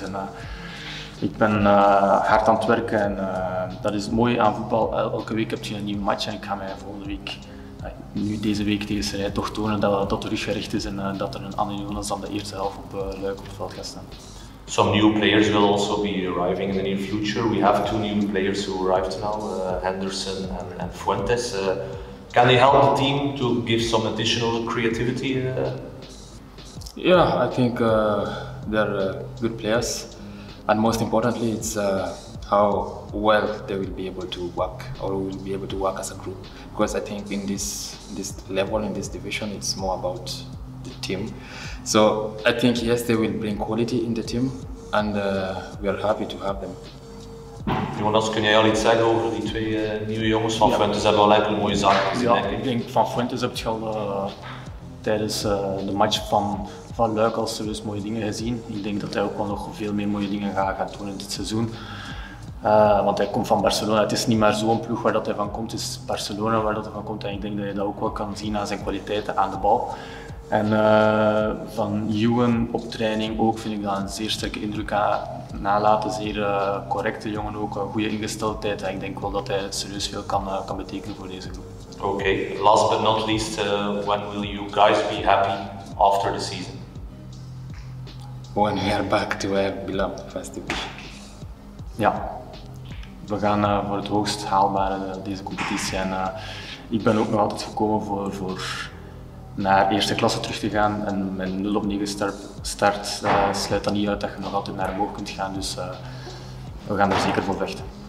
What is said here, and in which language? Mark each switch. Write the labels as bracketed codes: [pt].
[nl] En, ik ben hard aan het werken en dat is mooi aan voetbal. Elke week heb je een nieuwe match en ik ga mij volgende week, nu deze week, deze serie toch tonen dat de rug gericht is en dat er een Anne Jonas dan de eerste helft op Luik op het veld gaat staan. [en] Some new players will also be arriving in the near future. We have two new players who arrived now, Henderson and Fuentes. Can they help the team to give some additional creativity? Yeah, I think they're good players. And most importantly, it's how well they will be able to work, or will be able to work as a group. Because I think in this level, in this division, it's more about the team. So I think, yes, they will bring quality in the team, and we are happy to have them. [nl] Jonas, kun jij al iets zeggen over die twee nieuwe jongens? Van Fuentes hebben wel een mooie zaak gezien. Ja, ik denk Van Fuentes heb je al tijdens de match van Luik als ze dus mooie dingen gezien. Ik denk dat hij ook wel nog veel meer mooie dingen gaat doen in dit seizoen. Want hij komt van Barcelona. Het is niet meer zo'n ploeg waar dat hij van komt. Het is Barcelona waar dat hij van komt. En ik denk dat je dat ook wel kan zien aan zijn kwaliteiten aan de bal. En van Juwen op training ook vind ik dat een zeer sterke indruk aan nalaten. Zeer correcte jongen ook. Goede ingesteldheid. En ik denk wel dat hij serieus veel kan betekenen voor deze groep. Oké. Okay. [en] Last but not least, when will you guys be happy after the season? When we are back to our beloved festival. [nl] Ja. We gaan voor het hoogst haalbare deze competitie. En ik ben ook nog altijd gekomen voor naar eerste klasse terug te gaan. En mijn 0 op 9 start sluit dan niet uit dat je nog altijd naar omhoog kunt gaan. Dus we gaan er zeker voor vechten.